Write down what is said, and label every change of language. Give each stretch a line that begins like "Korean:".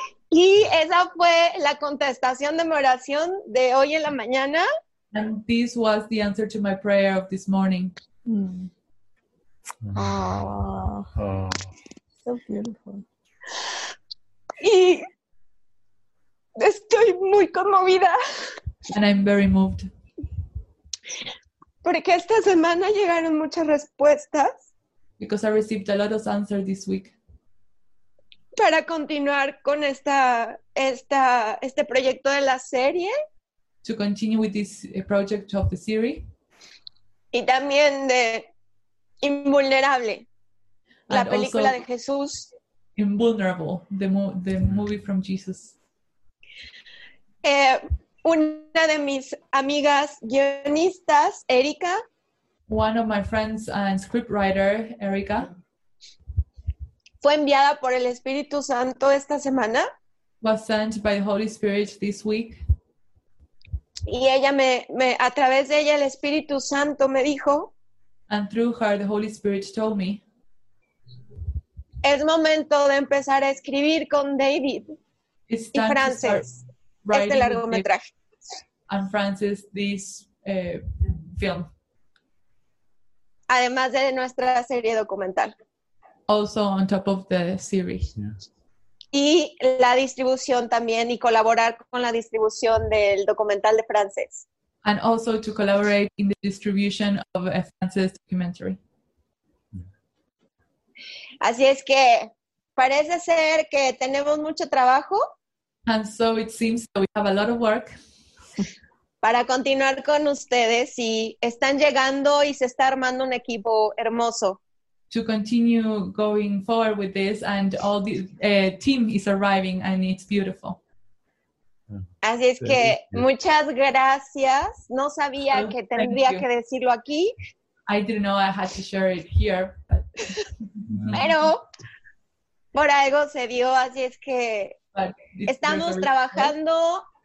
Spanish: Y esa fue la contestación de mi oración de hoy en la mañana.
English: And this was the answer to my prayer of this morning. Mm. Oh. Oh. So beautiful.
Spanish: Y estoy muy conmovida.
English: And I'm very moved.
Spanish: Porque esta semana llegaron muchas respuestas.
English: Because I received a lot of answers this week.
Spanish: Para continuar con este proyecto de la serie.
English: To continue with this project of the series.
Spanish: Y también de Invulnerable,
English: and
Spanish: la película de Jesús.
English: Invulnerable, the movie from Jesus.
Spanish: Una de mis amigas guionistas, Erika.
English: One of my friends and scriptwriter, Erika.
Spanish: Fue enviada por el Espíritu Santo esta semana.
English: Was sent by the Holy Spirit this week.
Spanish: Y ella me a través de ella el Espíritu Santo me dijo.
English: And through her the Holy Spirit told me.
Spanish: Es momento de empezar a escribir con David y Frances este largometraje.
English: And Frances, this film.
Spanish: Además de nuestra serie documental.
English: Also on top of the series. Yes.
Spanish: Y la distribución también, y colaborar con la distribución del documental de Frances.
English: And also to collaborate in the distribution of a Frances documentary.
Spanish: Así es que parece ser que tenemos mucho trabajo.
English: And so it seems that we have a lot of work.
Spanish: Para continuar con ustedes, y están llegando y se está armando un equipo hermoso.
English: To continue going forward with this, and all the team is arriving, and it's beautiful.
Spanish: Así es que muchas gracias. No sabía que tendría que decirlo aquí.
English: I didn't know I had to share it here. But...
Spanish: Pero por algo se dio, así es que estamos trabajando.